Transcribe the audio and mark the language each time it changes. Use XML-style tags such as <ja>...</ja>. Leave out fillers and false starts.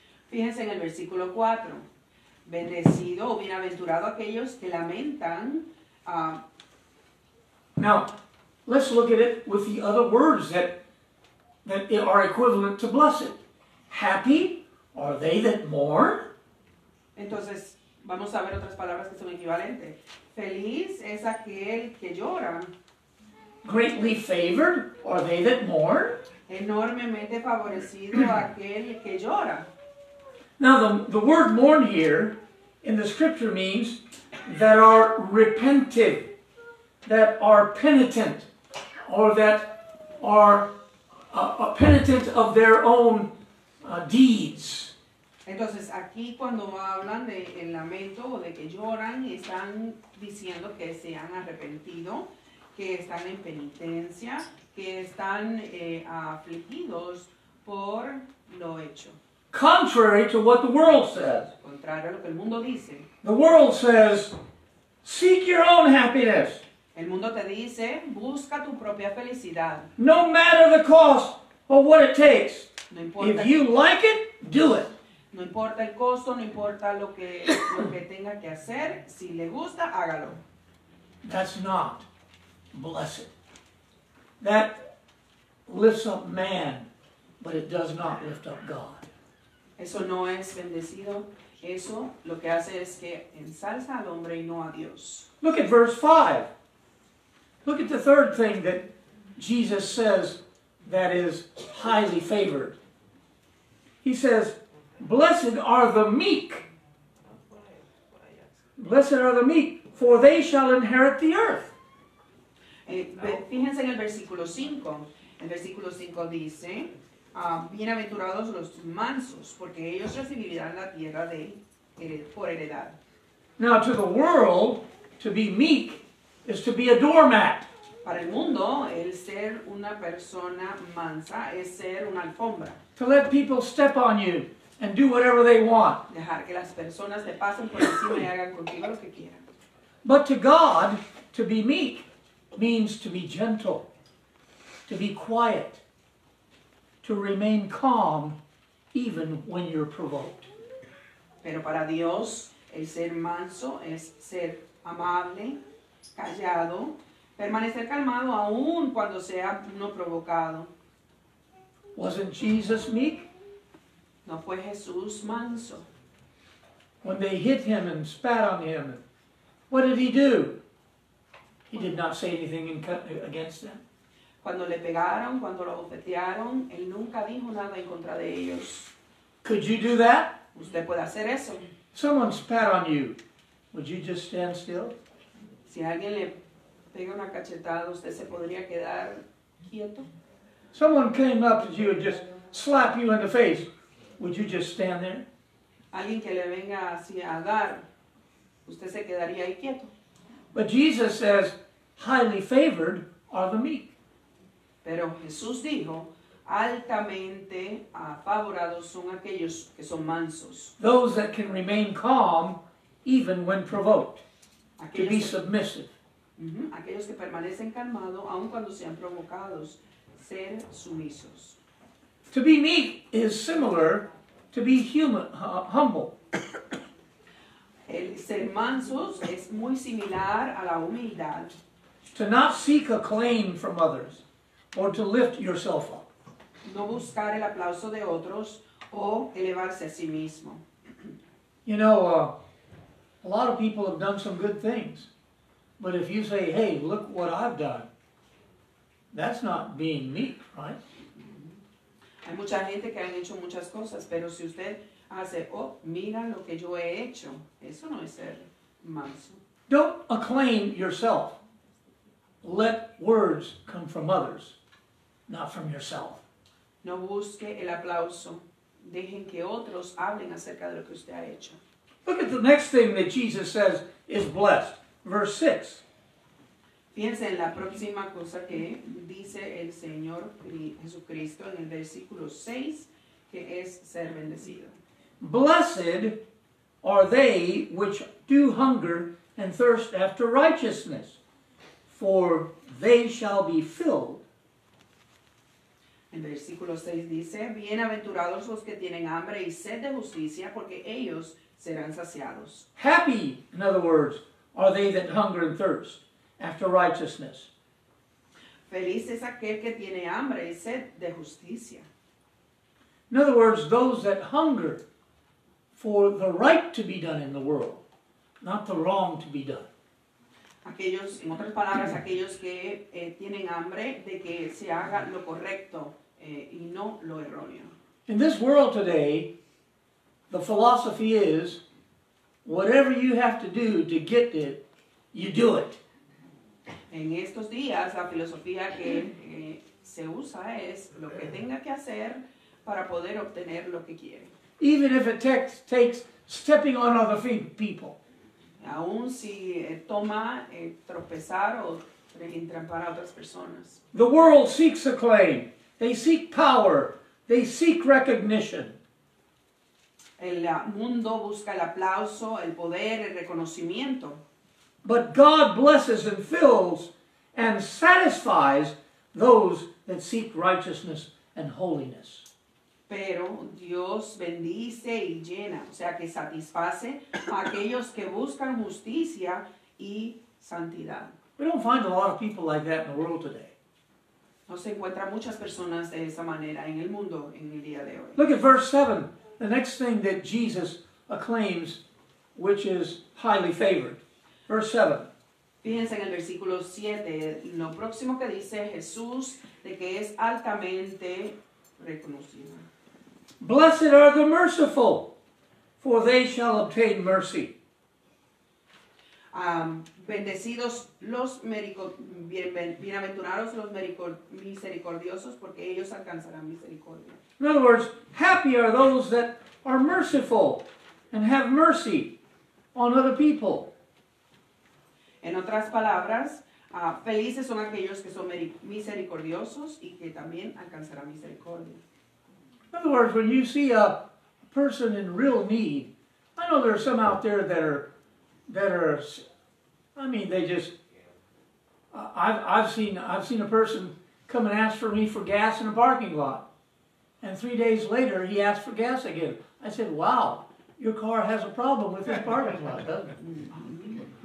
<es>Fíjense en el versículo 4. Bendecido o bienaventurado aquellos que lamentan.</es> <en>Now, let's look at it with the other words that are equivalent to blessed. Happy are they that mourn.</en> <es>Entonces, vamos a ver otras palabras que son equivalentes. Feliz es aquel que llora.</es> <en>Greatly favored are they that mourn.</en> <es>Enormemente favorecido aquel que llora.</es> <en>Now the word mourn here in the scripture means that are repentive, that are penitent, or that are penitent of their own deeds.</en> <es>Entonces, aquí cuando hablan de el lamento o de que lloran, están diciendo que se han arrepentido, que están en penitencia, que están afligidos por lo hecho.</es> <en>Contrary to what the world says.</en> <es>Contrario a lo que el mundo dice.</es> <en>The world says, seek your own happiness.</en> <es>El mundo te dice, busca tu propia felicidad.</es> <en>No matter the cost or what it takes.</en> <es>No importa.</es> <en>If you like it, do it.</en> <es>No importa el costo, no importa lo que tenga que hacer, si le gusta, hágalo.</es> <en>That's not blessed. That lifts up man, but it does not lift up God.</en> <es>Eso no es bendecido. Eso lo que hace es que ensalza al hombre y no a Dios.</es> <en>Look at verse 5. Look at the third thing that Jesus says that is highly favored. He says, blessed are the meek. Blessed are the meek, for they shall inherit the earth.</en> <es>Fíjense en el versículo 5. El versículo 5 dice, bienaventurados los mansos, porque ellos recibirán la tierra por heredad.</es> <en>Now to the world, to be meek is to be a doormat.</en> <es>Para el mundo, el ser una persona mansa es ser una alfombra.</es> <en>To let people step on you and do whatever they want.</en> <es>Dejar que las personas le pasen por encima y hagan contigo lo que quieran.</es> <en>But to God, to be meek means to be gentle, to be quiet, to remain calm even when you're provoked.</en> <es>Pero para Dios, el ser manso es ser amable, callado, permanecer calmado aún cuando sea uno provocado.</es> <en>Wasn't Jesus meek?</en> <es>No fue Jesús manso.</es> <en>When they hit him and spat on him, what did he do? He did not say anything against them.</en> <es>Cuando le pegaron, cuando lo bofetearon, él nunca dijo nada en contra de ellos.</es> <en>Could you do that?</en> <es>Usted puede hacer eso.</es> <en>Someone spat on you. Would you just stand still?</en> <es>Si alguien le pega una cachetada, usted se podría quedar quieto.</es> <en>Someone came up to you and just slapped you in the face. Would you just stand there?</en> <es>Alguien que le venga así a dar, usted se quedaría ahí quieto.</es> <en>But Jesus says, highly favored are the meek.</en> <es>Pero Jesús dijo, altamente favorados son aquellos que son mansos.</es> <en>Those that can remain calm even when provoked.</en> <es>Aquellos</es> <en>to be submissive.</en> <es>Aquellos que permanecen calmados aun cuando sean provocados, ser sumisos.</es> <en>To be meek is similar to be human, humble.</en> <es>El ser mansos es muy similar a la humildad.</es> <en>To not seek acclaim from others or to lift yourself up. No buscar el aplauso de otros o elevarse a sí mismo. You know, a lot of people have done some good things. But if you say, hey, look what I've done, that's not being meek, right?</en> <es>Hay mucha gente que han hecho muchas cosas, pero si usted hace, oh, mira lo que yo he hecho, eso no es ser manso.</es> <en>Don't acclaim yourself. Let words come from others, not from yourself.</en> <es>No busque el aplauso. Dejen que otros hablen acerca de lo que usted ha hecho.</es> <en>Look at the next thing that Jesus says is blessed. Verse 6.</en> <es>Piense en la próxima cosa que dice el Señor Jesucristo en el versículo 6, que es ser bendecido.</es> <en>Blessed are they which do hunger and thirst after righteousness, for they shall be filled.</en> <es>El versículo 6 dice, bienaventurados los que tienen hambre y sed de justicia, porque ellos serán saciados.</es> <en>Happy, in other words, are they that hunger and thirst after righteousness.</en> <es>Feliz es aquel que tiene hambre y sed de justicia.</es> <en>In other words, those that hunger for the right to be done in the world, not the wrong to be done.</en> <es>Aquellos, en otras palabras, aquellos que tienen hambre de que se haga lo correcto y no lo erróneo.</es> <en>In this world today, the philosophy is Whatever you have to do to get it, you do it.</en> <es>En estos días, la filosofía que se usa es lo que tenga que hacer para poder obtener lo que quiere.</es> <en>Even if it takes stepping on other people.</en> <es>Aún si toma tropezar o entrampar a otras personas.</es> <en>The world seeks acclaim. They seek power. They seek recognition.</en> <es>El mundo busca el aplauso, el poder, el reconocimiento.</es> <en>But God blesses and fills and satisfies those that seek righteousness and holiness.</en> <es>Pero Dios bendice y llena, o sea que satisface a aquellos que buscan justicia y santidad.</es> <en>We don't find a lot of people like that in the world today.</en> <es>No se encuentra muchas personas de esa manera en el mundo en el día de hoy.</es> <en>Look at verse 7. The next thing that Jesus acclaims, which is highly favored. Verse 7.</en> <es>Fíjense en el versículo 7, lo próximo que dice Jesús, de que es altamente reconocido.</es> <en>Blessed are the merciful, for they shall obtain mercy.</en> <es>Bendecidos los bienaventurados los misericordiosos, porque ellos alcanzarán misericordia.</es> <en>In other words, happy are those that are merciful and have mercy on other people.</en> <es>En otras palabras, felices son aquellos que son misericordiosos y que también alcanzarán misericordia.</es> <en>In other words, when you see a person in real need, I know there are some out there I've seen a person come and ask for me for gas in a parking lot. And 3 days later, he asked for gas again. I said, wow, your car has a problem with this parking lot, doesn't it?</en>